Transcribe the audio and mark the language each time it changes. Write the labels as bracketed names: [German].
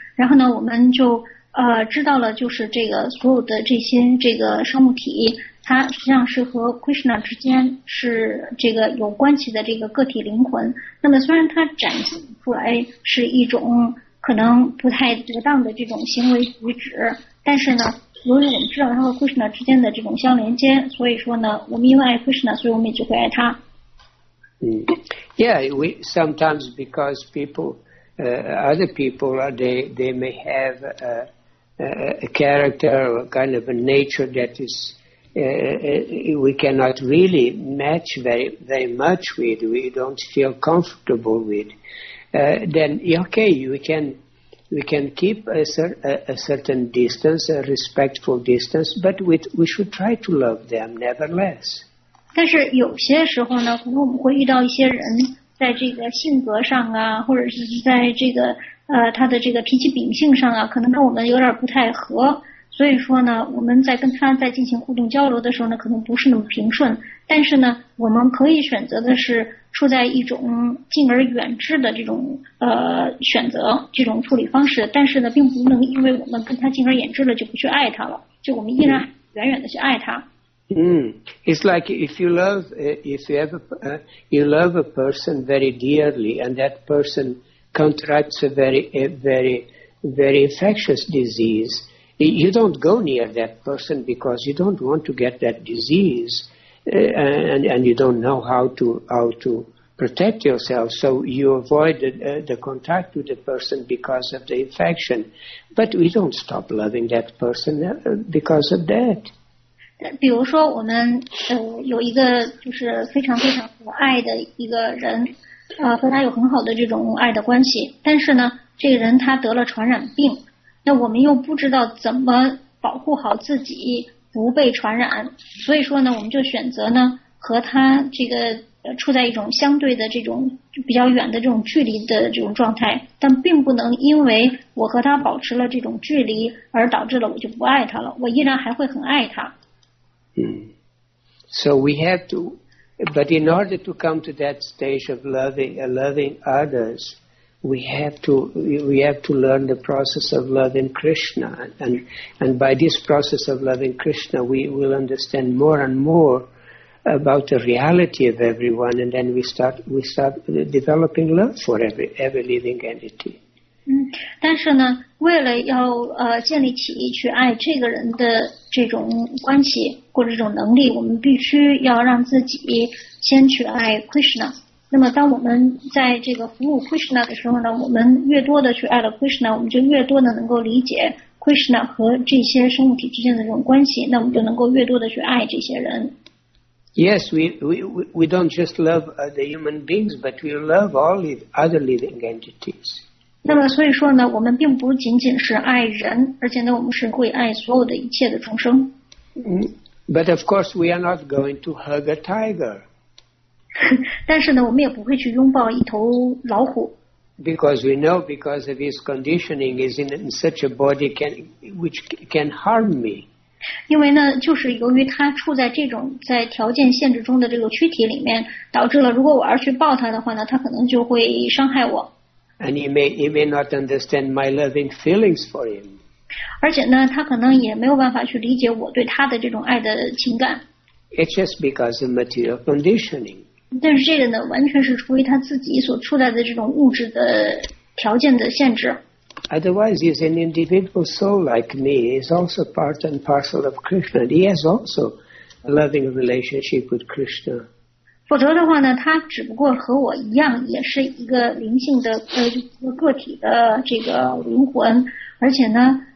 [Chinese] 然后呢，我们就知道了，就是这个所有的这些这个生物体，它实际上是和 Krishna 之间是这个有关系的这个个体灵魂。那么虽然它展现出来是一种可能不太得当的这种行为举止，但是呢，由于我们知道它和 Krishna 之间的这种相连接，所以说呢，我们因为爱 Krishna， 所以我们也就会爱它。 [English] Yeah, we sometimes because people, other people, they may have a character or kind of a nature that is we cannot really match very, very much with, we don't feel comfortable with, then, okay, we can keep a certain distance, a respectful distance, but we should try to love them nevertheless. [Chinese] 但是有些时候呢，可能我们会遇到一些人在这个性格上啊，或者是在这个他的这个脾气秉性上啊，可能跟我们有点不太合。所以说呢，我们在跟他在进行互动交流的时候呢，可能不是那么平顺。但是呢，我们可以选择的是处在一种敬而远之的这种选择，这种处理方式。但是呢，并不能因为我们跟他敬而远之了，就不去爱他了，就我们依然远远的去爱他。 [English] It's like if you love a person very dearly, and that person contracts a very infectious disease. You don't go near that person because you don't want to get that disease, and you don't know how to protect yourself. So you avoid the contact with the person because of the infection. But we don't stop loving that person because of that. [Chinese] 比如说我们有一个就是非常非常有爱的一个人，和他有很好的这种爱的关系，但是呢，这个人他得了传染病。那我们又不知道怎么保护好自己不被传染，所以说呢，我们就选择呢和他这个处在一种相对的这种比较远的这种距离的这种状态，但并不能因为我和他保持了这种距离而导致了我就不爱他了，我依然还会很爱他。 [English] So we have to, but in order to come to that stage of loving others,We have to learn the process of loving Krishna, and by this process of loving Krishna, we will understand more and more about the reality of everyone, and then we start developing love for every living entity. [Chinese] 但是呢，为了要建立起去爱这个人的这种关系或者这种能力，我们必须要让自己先去爱 Krishna。那么当我们在这个服务 Krishna 的时候呢，我们越多的去爱了 Krishna， 我们就越多的能够理解 Krishna 和这些生物体之间的这种关系，那我们就能够越多的去爱这些人。 [English] Yes, we don't just love the human beings, but we love all the other living entities. [Chinese] 那么所以说呢，我们并不仅仅是爱人，而且呢，我们是会爱所有的一切的众生。 [English] But of course, we are not going to hug a tiger. [Chinese] 但是呢，我们也不会去拥抱一头老虎。 [English] Because we know, because of his conditioning, is in such a body which can harm me. [Chinese] 因为呢，就是由于他处在这种在条件限制中的这个躯体里面，导致了如果我要去抱他的话呢，他可能就会伤害我。 [English] And he may not understand my loving feelings for him. [Chinese] 而且呢，他可能也没有办法去理解我对他的这种爱的情感。 [English] It's just because of material conditioning. [Chinese] 但是这个呢，完全是出于他自己所处在的这种物质的条件的限制。 [English] Otherwise, he's an individual soul like me. He's also part and parcel of Krishna. He has also a loving relationship with Krishna. [Chinese] 否则的话呢，他只不过和我一样，也是一个灵性的个体的这个灵魂，而且呢。